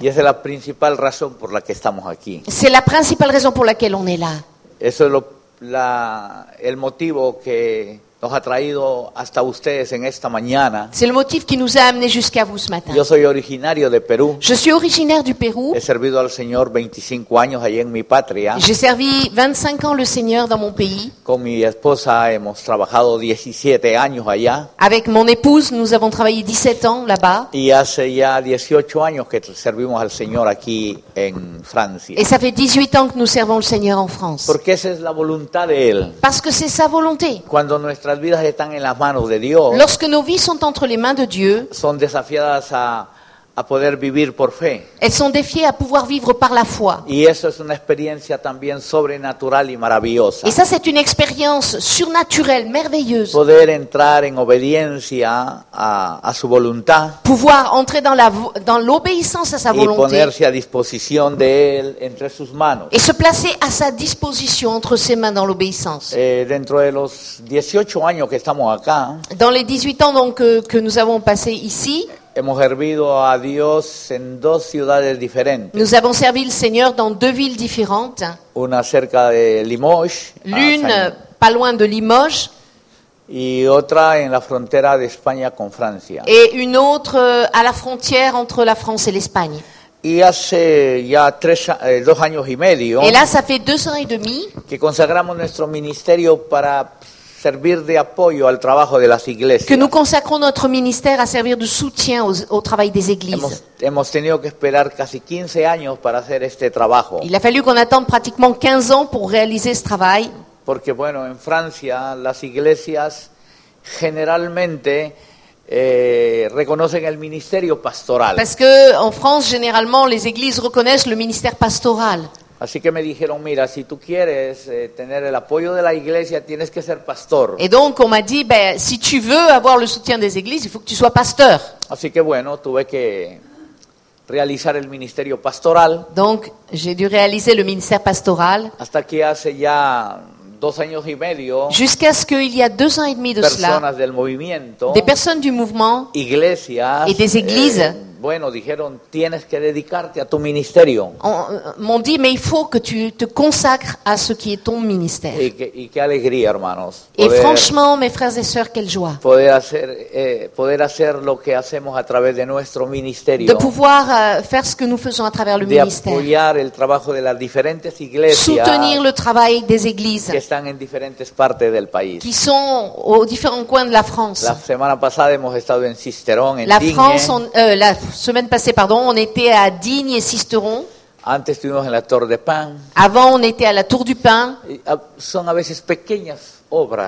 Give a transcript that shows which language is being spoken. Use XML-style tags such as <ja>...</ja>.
<es>Y esa es la principal razón por la que estamos aquí.</es> <fr>C'est la principale raison pour laquelle on est là.</fr> <es>Eso es el motivo que nos ha traído hasta ustedes en esta mañana.</es> <fr>C'est le motif qui nous a amené jusqu'à vous ce matin.</fr> <es>Yo soy originario de Perú.</es> <fr>Je suis originaire du Pérou.</fr> <es>He servido al Señor 25 años allí en mi patria.</es> <fr>J'ai servi 25 ans le Seigneur dans mon pays.</fr> <es>Con mi esposa hemos trabajado 17 años allá.</es> <fr>Avec mon épouse, nous avons travaillé 17 ans là-bas.</fr> <es>Y hace ya 18 años que servimos al Señor aquí en Francia.</es> <fr>Et ça fait 18 ans que nous servons le Seigneur en France.</fr> <es>Porque esa es la voluntad de él.</es> <fr>Parce que c'est sa volonté.</fr> <es>Cuando nuestras vidas están en las manos de Dios.</es> <fr>Lorsque nos vies sont entre les mains de Dieu.</fr> <es>Son desafiadas a poder vivir por fe.</es> <fr>Elles sont défiées à pouvoir vivre par la foi.</fr> <es>Y eso es una experiencia también sobrenatural y maravillosa.</es> <fr>Et ça c'est une expérience surnaturelle merveilleuse.</fr> <es>Poder entrar en obediencia a su voluntad.</es> <fr>Pouvoir entrer dans l'obéissance à sa volonté.</fr> <es>Y ponerse a disposición de él entre sus manos.</es> <fr>Et se placer à sa disposition entre ses mains dans l'obéissance.</fr> <es>Dentro de los 18 años que estamos acá.</es> <fr>Dans les 18 ans donc que nous avons passé ici.</fr> <es>Hemos servido a Dios en dos ciudades diferentes.</es> <fr>Nous avons servi le Seigneur dans deux villes différentes.</fr> <es>Una cerca de Limoges.</es> <fr>L'une pas loin de Limoges.</fr> <es>Y otra en la frontera de España con Francia.</es> <fr>Et une autre à la frontière entre la France et l'Espagne.</fr> <es>Y hace ya dos años y medio.</es> <fr>Et là, ça fait deux ans et demi.</fr> <es>Que consagramos nuestro ministerio para servir de apoyo al trabajo de las iglesias.</es> <fr>Que nous consacrons notre ministère à servir de soutien au travail des églises.</fr> <es>Hemos tenido que esperar casi 15 años para hacer este trabajo.</es> <fr>Il a fallu qu'on attende pratiquement 15 ans pour réaliser ce travail.</fr> <es>Porque bueno, en Francia las iglesias generalmente reconocen el ministerio pastoral.</es> <fr>Parce que en France généralement les églises reconnaissent le ministère pastoral.</fr> <es>Así que me dijeron, mira, si tú quieres tener el apoyo de la iglesia, tienes que ser pastor.</es> <fr>Et donc on m'a dit, ben, si tu veux avoir le soutien des églises, il faut que tu sois pasteur.</fr> <es>Así que bueno, tuve que realizar el ministerio pastoral.</es> <fr>Donc j'ai dû réaliser le ministère pastoral.</fr> <es>Hasta que hace ya dos años y medio.</es> <fr>Jusqu'à ce qu'il y a deux ans et demi de cela.</fr> <es>Personas del movimiento.</es> <fr>Des personnes du mouvement.</fr> <es>Iglesias.</es> <fr>Et des églises.</fr> <es>Bueno, dijeron, tienes que dedicarte a tu ministerio.</es> <fr>M'ont dit, mais il faut que tu te consacres à ce qui est ton ministère.</fr> <es>Y qué alegría, hermanos.</es> <fr>Et franchement, mes frères et sœurs, quelle joie.</fr> <es>Poder hacer lo que hacemos a través de nuestro ministerio.</es> <fr>De pouvoir faire ce que nous faisons à travers le ministère.</fr> <es>De apoyar el trabajo de las diferentes iglesias.</es> <fr>Soutenir le travail des églises.</fr> <es>Que están en diferentes partes del país.</es> <fr>Qui sont aux différents coins de la France.</fr> <es>La semana pasada hemos estado en Sisteron, en</es> <fr>la France, semaine passée, pardon, on était à Digne et Sisteron.</fr> <es>Antes estuvimos en la Tour de Pin.</es> <fr>Avant, on était à la Tour du Pin.</fr> <es>Son a veces pequeñas obras.</es>